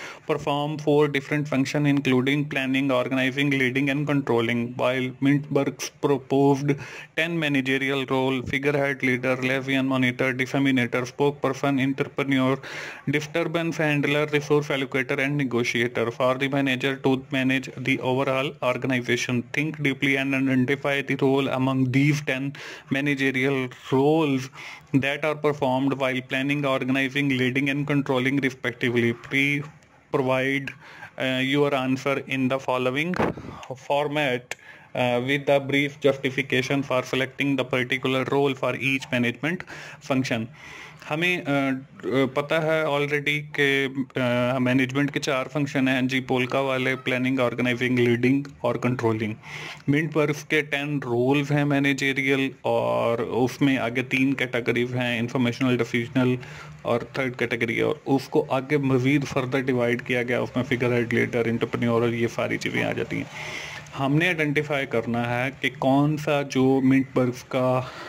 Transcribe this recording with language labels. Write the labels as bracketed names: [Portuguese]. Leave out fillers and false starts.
[English] Perform 4 different function including planning organising leading and controlling while Mintzberg's proposed 10 managerial role figurehead leader liaison monitor disseminator spokesperson entrepreneur disturbance handler resource allocator and negotiator for the manager to manage the overall organization. Think deeply and identify the role among these 10 managerial roles that are performed while planning, organizing, leading and controlling respectively. Please provide your answer in the following format with a brief justification for selecting the particular role for each management function. [Urdu] ہمیں پتہ ہے already کہ management کے 4 function ہیں جی polka والے planning organising leading اور controlling minute works کے 10 rules ہیں مینیجیریل اور اس میں آگے 3 کیٹیگریز ہیں انفارمیشنل ڈیسیجنل اور 3rd کیٹیگری اور اس کو آگے مزید فردر ڈیوائڈ کیا گیا اس میں فگر ہیڈ لیڈر انٹرپرینیور یہ ساری چیزیں آ جاتی ہیں ہم نے آئیڈینٹیفائی کرنا ہے کہ کون سا جو منٹ ورکس کا